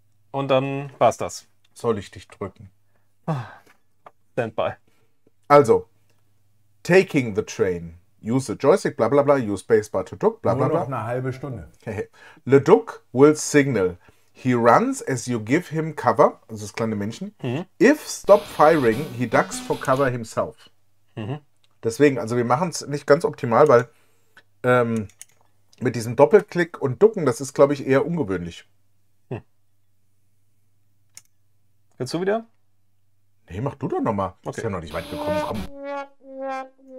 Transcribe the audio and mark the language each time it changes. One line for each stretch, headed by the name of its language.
German: Und dann war's das. Soll ich dich drücken?
English: Standby.
German: Also.
English: Taking the train. Use the joystick, bla bla bla. Use spacebar to duck, bla
German: nur bla bla. Nur noch eine halbe Stunde.
English: Okay. Le Duc will signal. He runs as you give him cover.
German: Also das kleine Männchen. Mhm.
English: If stop firing, he ducks for cover himself. Mhm.
German: Deswegen, also wir machen es nicht ganz optimal, weil mit diesem Doppelklick und Ducken, das ist, glaube ich, eher ungewöhnlich. Kannst du wieder? Nee, mach du doch nochmal. Okay. Ist ja noch nicht weit gekommen. Komm.